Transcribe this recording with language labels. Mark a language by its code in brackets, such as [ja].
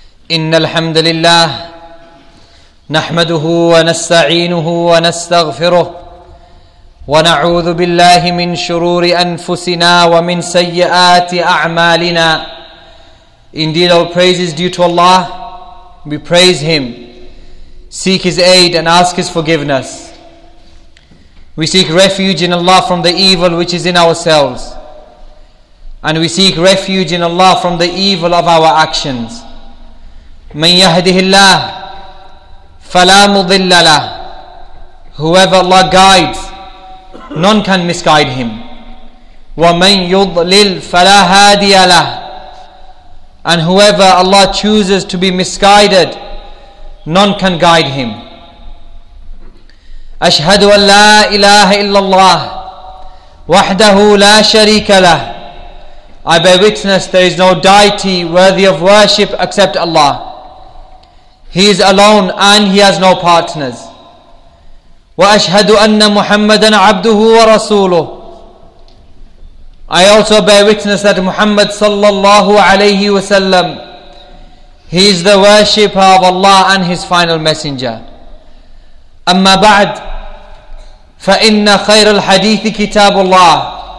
[ar] إن الحمد لله نحمده ونستعينه ونستغفره ونعوذ بالله من شرور أنفسنا ومن سيئات أعمالنا. [en] Indeed, our praise is due to Allah. We praise Him, seek His aid and ask His forgiveness. We seek refuge in Allah from the evil which is in ourselves. And we seek refuge in Allah from the evil of our actions. [ar] من يهده الله فلا مضل له. [en] Whoever Allah guides, none can misguide him. [ar] ومن يضلل فلا هادي له. [en] And whoever Allah chooses to be misguided, none can guide him. [ar] أشهد أن لا إله إلا الله وحده لا شريك له. [en] I bear witness there is no deity worthy of worship except Allah. He is alone and He has no partners. [ar] وأشهد أن محمدا عبده ورسوله. [en] I also bear witness that Muhammad sallallahu alayhi wa sallam, he is the worshipper of Allah and his final messenger. [ar] Amma ba'd, fa inna khayr al-hadith kitabullah.